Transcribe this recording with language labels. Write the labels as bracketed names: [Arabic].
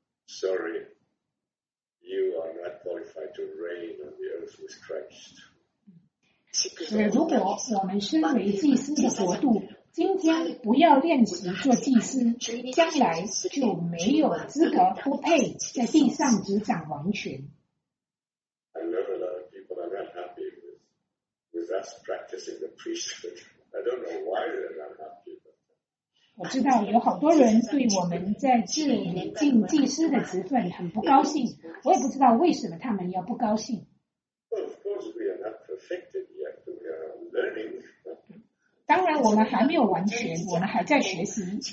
[English] Sorry, you are not qualified to reign on the earth with Christ. [Chinese] 如果我们身为祭司的国度，今天不要练习做祭司，将来就没有资格，不配在地上执掌王权。 [English] I know a lot of people are not happy with us practicing the priesthood. I don't know why they're not happy. [Chinese] 我知道有好多人对我们在这里进祭司的职分很不高兴，我也不知道为什么他们要不高兴。 [English] Well, of course, we are not perfected yet. We are learning. [Chinese] 当然我们还没有完全，我们还在学习。